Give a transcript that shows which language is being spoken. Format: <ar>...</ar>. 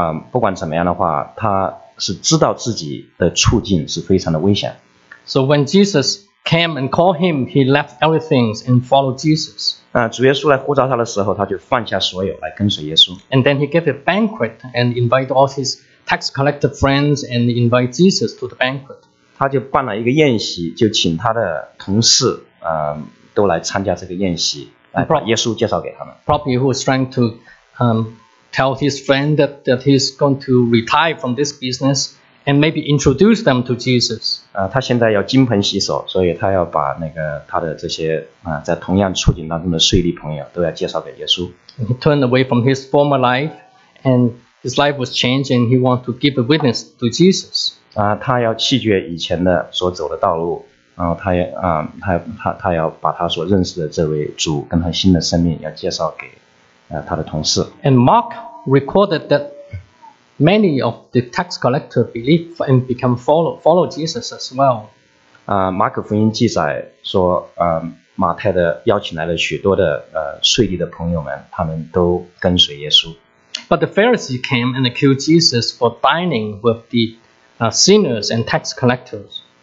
<zh>不管怎么样的话，他是知道自己的处境是非常的危险。</zh> <en>So when Jesus came and called him, he left everything and followed Jesus.</en> <zh>主耶稣来呼召他的时候，他就放下所有来跟随耶稣。</zh> <en>And then he gave a banquet and invited all his tax collector friends and invite Jesus to the banquet.</en> <zh>他就办了一个宴席，就请他的同事都来参加这个宴席，来把耶稣介绍给他们。</zh> <en>Probably he was trying to tell his friend that he's going to retire from this business. And maybe introduce them to Jesus.</en> <zh>他现在要金盆洗手，所以他要把那个他的这些在同样处境当中的税吏朋友都要介绍给耶稣。</zh> <en>He turned away from his former life, and His life was changed and he wanted to give a witness to Jesus.</en> <zh>他要弃绝以前的所走的道路，然后他要把他所认识的这位主跟他新的生命要介绍给他的同事。</zh> <en>And Mark recorded that many of the tax collectors believe and become follow Jesus as well.</en> <zh>马可福音记载说，马太的邀请来了许多的税吏的朋友们，他们都跟随耶稣。</zh> <en>But the Pharisees came and accused Jesus for dining with the sinners and tax collectors.</en>